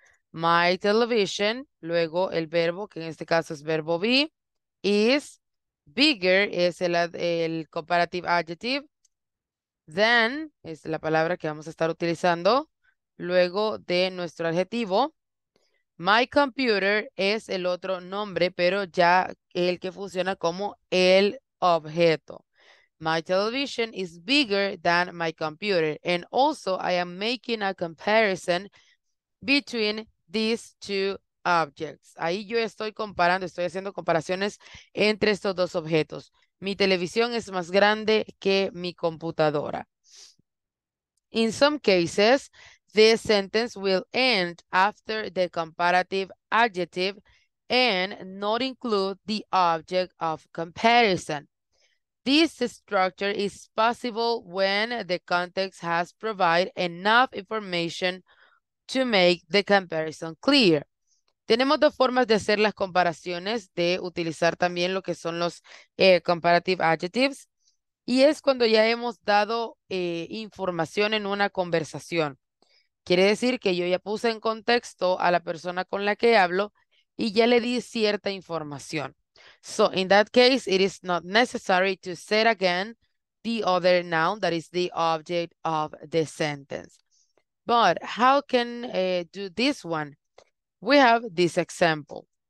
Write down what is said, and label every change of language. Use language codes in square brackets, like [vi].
[en] My television, [es] luego el verbo, que en este caso es verbo be, [en] is bigger, [es] es el [en] comparative adjective, [es] than, es la palabra que vamos a estar utilizando, luego de nuestro adjetivo. [en] My computer [es] es el otro nombre, pero ya el que funciona como el objeto. [en] My television is bigger than my computer, and also I am making a comparison between these two objects. [es] Ahí yo estoy comparando, estoy haciendo comparaciones entre estos dos objetos. Mi televisión es más grande que mi computadora. [en] In some cases, this sentence will end after the comparative adjective and not include the object of comparison. This structure is possible when the context has provided enough information to make the comparison clear. [es] Tenemos dos formas de hacer las comparaciones, de utilizar también lo que son los comparative adjectives, y es cuando ya hemos dado información en una conversación. Quiere decir que yo ya puse en contexto a la persona con la que hablo y ya le di cierta información. [en] So, in that case, it is not necessary to say again the other noun that is the object of the sentence. But how can do this one? We have this example.